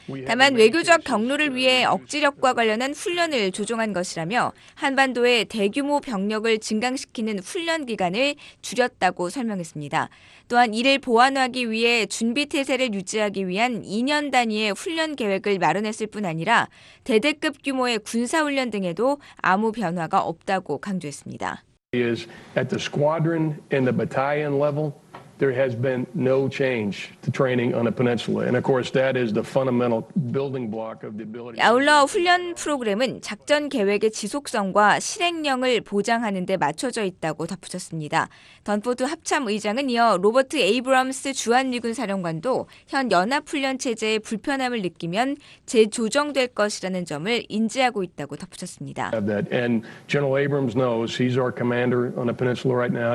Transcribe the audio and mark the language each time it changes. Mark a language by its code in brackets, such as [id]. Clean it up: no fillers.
[ko] 다만 외교적 경로를 위해 억지력과 관련한 훈련을 조정한 것이라며 한반도의 대규모 병력을 증강시키는 훈련 기간을 줄였다고 설명했습니다. 또한 이를 보완하기 위해 준비태세를 유지하기 위한 2년 단위의 훈련 계획을 마련했을 뿐 아니라 대대급 규모의 군사훈련 등에도 아무 변화가 없다고 강조했습니다. [en] Is at the squadron and the battalion level. There has been no change to training on the peninsula, and of course, that is the fundamental building block of the ability. [ko] 아울러 훈련 프로그램은 작전 계획의 지속성과 실행력을 보장하는 데 맞춰져 있다고 덧붙였습니다. 던포드 합참 의장은 이어 로버트 에이브럼스 주한 미군 사령관도 현 연합 훈련 체제의 불편함을 느끼면 재조정될 것이라는 점을 인지하고 있다고 덧붙였습니다. [en] And General Abrams knows he's our commander on the peninsula right now.